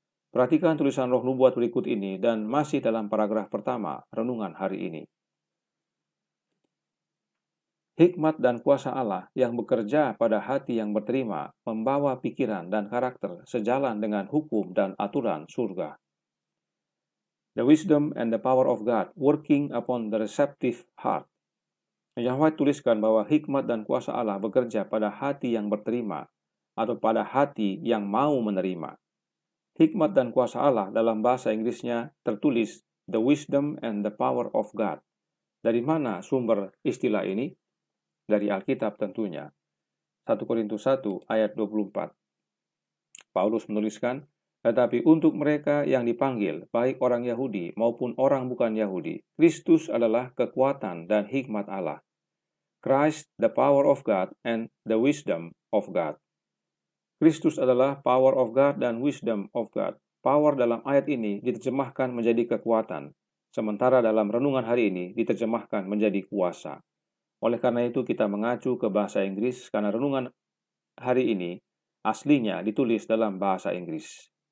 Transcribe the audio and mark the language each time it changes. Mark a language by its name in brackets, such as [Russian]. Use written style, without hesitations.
[Indonesian] Perhatikan tulisan roh nubuat berikut ini dan masih dalam paragraf pertama renungan hari ini. Hikmat dan kuasa Allah yang bekerja pada hati yang berterima membawa pikiran dan karakter sejalan dengan hukum dan aturan surga. [English] The wisdom and the power of God working upon the receptive heart. [Indonesian] Yahweh tuliskan bahwa hikmat dan kuasa Allah bekerja pada hati yang berterima atau pada hati yang mau menerima. Hikmat dan kuasa Allah dalam bahasa Inggrisnya tertulis [English] the wisdom and the power of God. [Indonesian] Dari mana sumber istilah ini? Dari Alkitab tentunya. 1 Korintus 1 ayat 24. Paulus menuliskan, tetapi untuk mereka yang dipanggil, baik orang Yahudi maupun orang bukan Yahudi, Kristus adalah kekuatan dan hikmat Allah. [English] Christ, the power of God and the wisdom of God. [Indonesian] Kristus adalah [English] power of God [Indonesian] dan [English] wisdom of God. [Indonesian] Power dalam ayat ini diterjemahkan menjadi kekuatan, sementara dalam renungan hari ini diterjemahkan menjadi kuasa. Oleh karena itu, kita mengacu ke bahasa Inggris karena renungan hari ini aslinya ditulis dalam bahasa Inggris.